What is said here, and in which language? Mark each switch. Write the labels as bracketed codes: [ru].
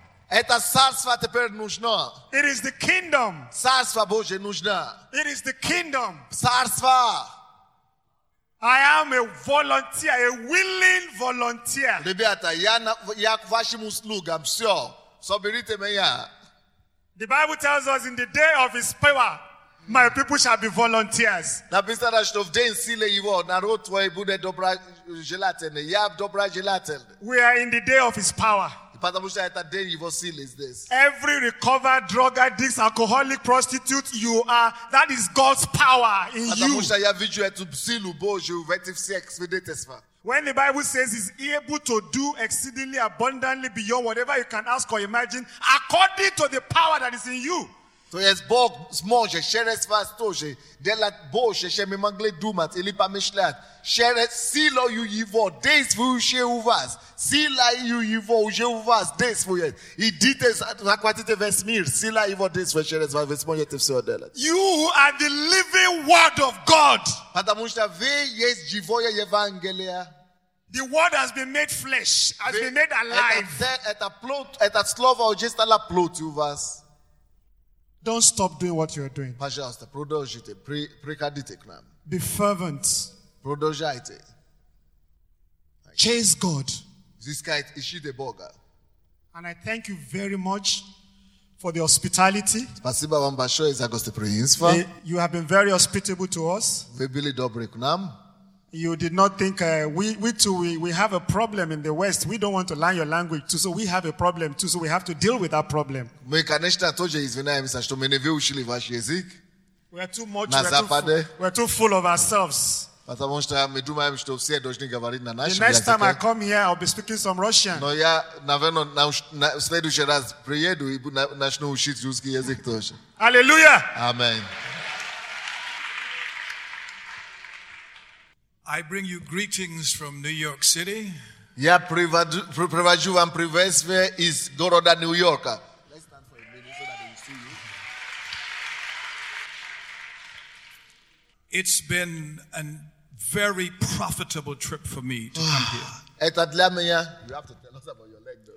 [ru] Это царство теперь нужно. [en] It is the kingdom. [ru] Царство Божье нужно. [en] It is the kingdom. [ru] Царство. [en] I am a volunteer, a willing volunteer. [ru] Ребята, я к вашим услугам, все. Соберите меня. [en] The Bible tells us in the day of his power, my people shall be volunteers. [ru] Написано, что в день силы его народ твой будет доброжелательный. Я доброжелательный. [en] We are in the day of his power. [ru] Потому что это день его силы здесь. [en] Every recovered drug addict, alcoholic, prostitute, you are, that is God's power in you. [ru] Потому что я вижу эту силу Божию в этих всех свидетельствах. [en] When the Bible says he's able to do exceedingly abundantly beyond whatever you can ask or imagine, according to the power that is in you. [ru] То есть Бог сможет через вас тоже делать больше, чем мы могли думать или помышлять. Через силу Его, действующую у вас. Сила Его уже у вас действует. Идите, захватите весь мир. Сила Его действует через вас. Вы сможете все делать. [en] You are the living word of God. [ru] Потому что вы есть живое Евангелие. [en] The word has been made flesh, has been made alive. [ru] Это слово уже стало плоть у вас. [en] Don't stop doing what you are doing. [ru] Пожалуйста, продолжите, приходите к нам. [en] Be fervent. [ru] Продолжайте. [en] Chase God. [ru] Искайте, ищите Бога. [en] And I thank you very much for the hospitality. [ru] Спасибо вам большое за гостеприимство. [en] You have been very hospitable to us. [ru] Вы были добры к нам. [en] You did not think we have a problem in the West. We don't want to learn your language too, so we have a problem too, so we have to deal with that problem. [ru] Мы, конечно, тоже извиняемся, что мы не выучили ваш язык. [en] We are too much. We're too full of ourselves. [ru] Потому что мы думаем, что все должны говорить на нашем языке. [en] The next time I come here, I'll be speaking some Russian. [ru] Но я, наверное, в следующий раз приеду и начну учить русский язык тоже. [en] Hallelujah. Amen. I bring you greetings from New York City. [ru] Я привожу вам приветствие из города Нью-Йорка. [en] Let's stand for a minute so that they will see you. It's been a very profitable trip for me to come here. [ru] Это для меня. [en] You have to tell us about your leg, though.